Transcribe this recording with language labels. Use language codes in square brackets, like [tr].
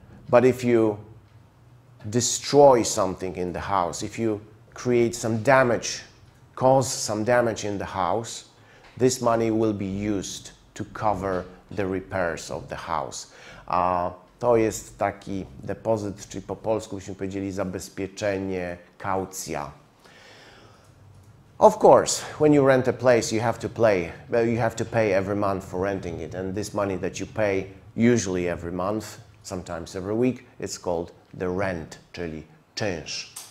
[en] But if you destroy something in the house, if you create some damage, cause some damage in the house, this money will be used to cover the repairs of the house. [pl] To jest taki depozyt, czyli po polsku byśmy powiedzieli zabezpieczenie, kaucja. [en] Of course, when you rent a place, you have to pay. Well, you have to pay every month for renting it, and this money that you pay usually every month, sometimes every week, it's called the rent, [pl] czyli czynsz.